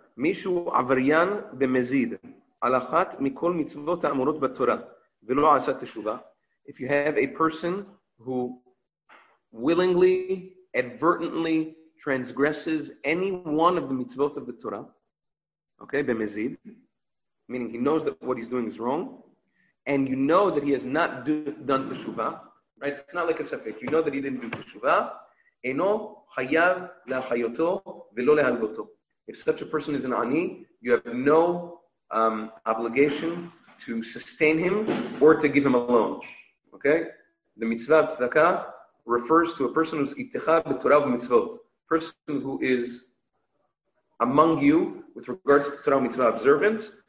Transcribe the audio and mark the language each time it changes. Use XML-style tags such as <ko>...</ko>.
<he>מישהו עבריין במזיד על אחת מכל מצוות האמורות בתורה ולא עשה תשובה.</he> <en>If you have a person who willingly, advertently transgresses any one of the mitzvot of the Torah, okay, במזיד, meaning he knows that what he's doing is wrong, and you know that he has not done תשובה, right? It's not like a ספק. You know that he didn't do תשובה.</en> <he>אינו חייב להחיותו ולא להלגותו.</he> <en>If such a person is an ani, you have no obligation to sustain him or to give him a loan. Okay? The mitzvah of tzedakah refers to a person who's itecha b'torah v'mitzvot. Person who is among you with regards to Torah mitzvah observance.</en>